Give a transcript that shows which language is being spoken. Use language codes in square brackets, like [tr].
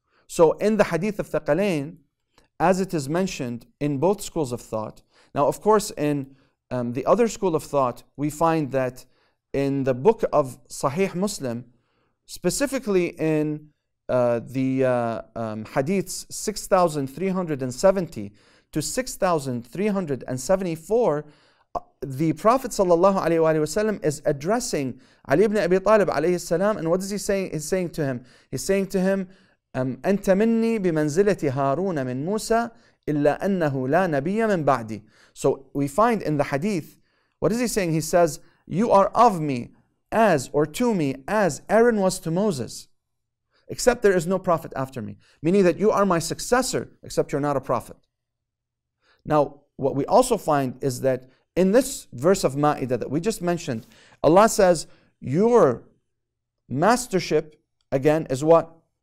[en] So in the hadith of Thaqalain, as it is mentioned in both schools of thought, now of course in the other school of thought, we find that in the book of Sahih Muslim, specifically in the hadiths 6370 to 6374, the Prophet sallallahu alaihi wasallam is addressing Ali ibn Abi Talib alayhi salam, and what is he saying? He's saying to him, [ar] أنت مني بمنزلة هارون من موسى إلا أنه لا نبي من بعدي. [en] So we find in the hadith, what is he saying? He says, you are of me as, or to me as Aaron was to Moses, except there is no prophet after me, meaning that you are my successor, except you're not a prophet. Now what we also find is that in this verse of Ma'idah that we just mentioned, Allah says your mastership again is what?